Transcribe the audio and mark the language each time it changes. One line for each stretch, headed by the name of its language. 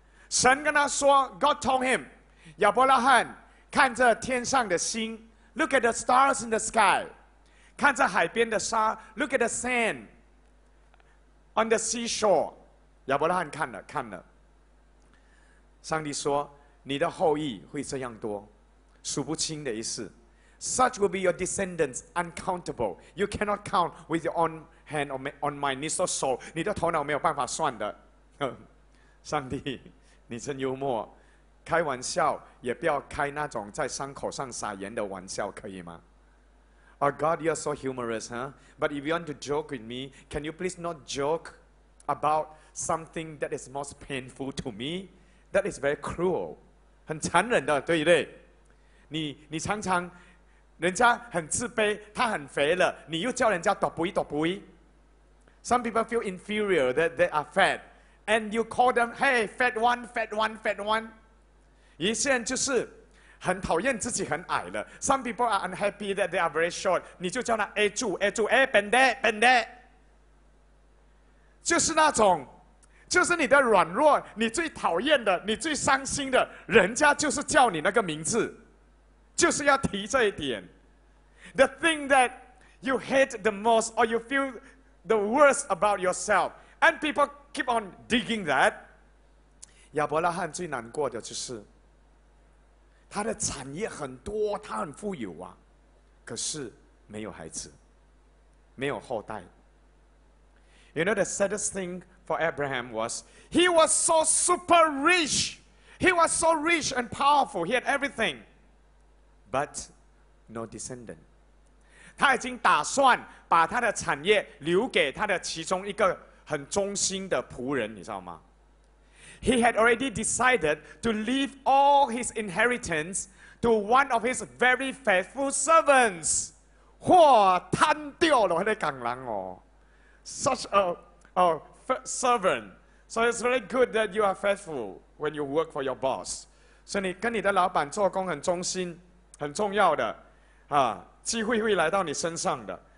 Chinese: 神跟他说
English: God told him,
Chinese: 亚伯拉罕，看着天上的星
English: Look at the stars in the sky,
Chinese: 看着海边的沙
English: Look at the sand on the seashore.
Chinese: 亚伯拉罕看了。上帝说你的后裔会这样多，数不清的意思。
English: Such will be your descendants, uncountable. You cannot count with your own hand or on my knees or soul.
Chinese: 你的头脑没有办法算的。上帝你真幽默，开玩笑也不要开那种在伤口上撒盐的玩笑，可以吗 ？
English: Oh God, you are so humorous, huh? But if you want to joke with me, can you please not joke about something that is most painful to me? That is very cruel,
Chinese: 很残忍的，对不对？你常常，人家很自卑，他很肥了，你又叫人家多肥。
English: Some people feel inferior that they are fat. And you call them, hey, fat one, fat one, fat one.
Chinese: 一些人就是很讨厌自己很矮了。
English: Some people are unhappy that they are very short.
Chinese: 你就叫他 A 柱 A 笨蛋笨蛋。就是那种，就是你的软弱，你最讨厌的，你最伤心的，人家就是叫你那个名字，就是要提这一点。
English: The thing that you hate the most or you feel the worst about yourself. And people keep on digging that.
Chinese: 亚伯拉罕最难过的就是他的产业很多，他很富有啊，可是没有孩子，没有后代。
English: You know the saddest thing for Abraham was he was so super rich. He was so rich and powerful. He had everything. But no descendant.
Chinese: 他已经打算把他的产业留给他的其中一个很忠心的仆人，你知道吗？
English: He had already decided to leave all his inheritance to one of his very faithful servants.
Chinese: 哇，贪掉了那个港人哦。
English: Such a servant. So it's very good that you are faithful when you work for your boss.
Chinese: 所以你跟你的老板做工很忠心，很重要的，啊，机会会来到你身上的。